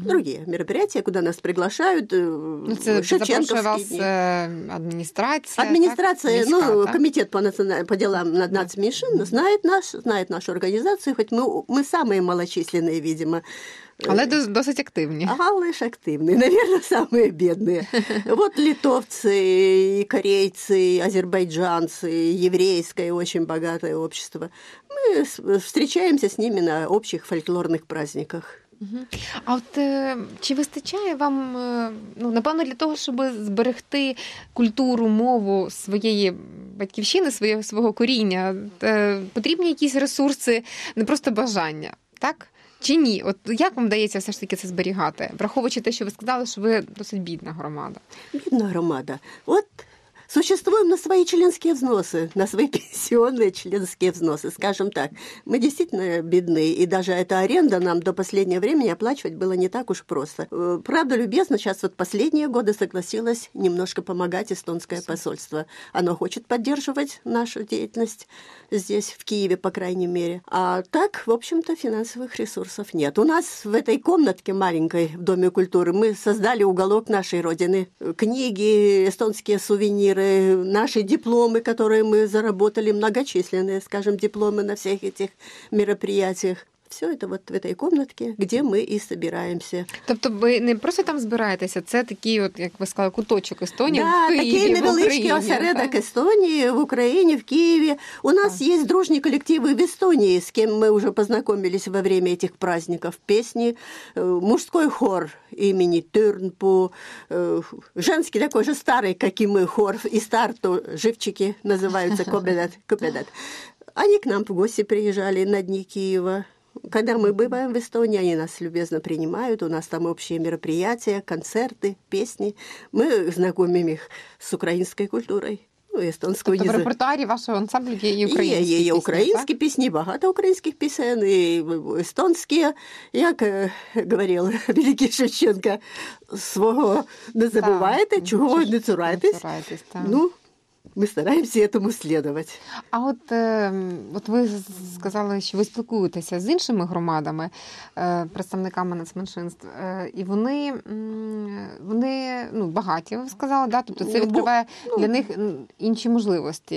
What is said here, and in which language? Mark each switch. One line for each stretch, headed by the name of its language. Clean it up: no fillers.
Russian: другие мероприятия, куда нас приглашают. Ну, это
Ukrainian: запрошує вас
Russian: администрация. Администрация, так? ну, Міська, комитет по, по делам нацменьшин угу. Знает нашу организацию, хоть мы самые малочисленные, видимо.
Ukrainian: Але досить активні. Ага, лиш активні. Навірно, самі бідні. От литовці, і корейці, і азербайджанці, і єврейське, дуже багате общество. Ми зустрічаємося з ними на общих фольклорних праздниках. А от чи вистачає вам, ну, напевно, для того, щоб зберегти культуру, мову своєї батьківщини, свого коріння, потрібні якісь ресурси, не просто бажання, так? Чи ні? От як вам вдається все ж таки це зберігати, враховуючи те, що ви сказали, що ви досить бідна громада? Бідна громада. От существуємо на свої членські взноси, на свої пенсіонні членські взноси, скажімо так. Ми дійсно бідні, і навіть ця оренда нам до останнього часу оплачувати було не так уж просто. Правда, любезно, зараз от останні роки згодилась немножко допомагати естонське посольство. Воно хоче підтримувати нашу діяльність.
Russian: Здесь, в Киеве, по крайней мере. А так, в общем-то, финансовых ресурсов нет. У нас в этой комнатке маленькой в Доме культуры мы создали уголок нашей родины. Книги, эстонские сувениры, наши дипломы, которые мы заработали, многочисленные, скажем, дипломы на всех этих мероприятиях. все это вот в этой комнатке, где мы и собираемся.
Ukrainian: Тобто ви не просто там збираєтеся, це такий, от, як ви сказали, куточок Естонії,
Russian: да,
Ukrainian: в Києві, в Україні. Такий невеличкий осередок Естонії в Україні, в Києві. У нас є дружні колективи в Естонії, з ким ми вже познайомились
Russian: во время
Ukrainian: цих праздників. Пісні, мужський хор імені Тюрнпу, женський такий же старий, як і ми, хор із Тарту, живчики називаються, Кобедат.
Russian: Они к нам в гости приезжали на дни Киева. Когда мы бываем в Эстонии, они нас любезно принимают. У нас там общие мероприятия, концерты, песни. Мы знакомим их с украинской культурой. Ну, эстонскую не знаю. В репертуаре вашего ансамбля есть и украинские песни? Есть и украинские песни, много украинских песен, и эстонские. Как говорил великий Шевченко, свого не забывайте, чего не цураетесь.
Ukrainian: Ну, ми стараємося цьому слідувати. А от, от ви сказали, що ви спілкуєтеся з іншими громадами, представниками нацменшинств, і вони, вони ну, багаті, ви сказали, да? Тобто це відкриває для них інші можливості.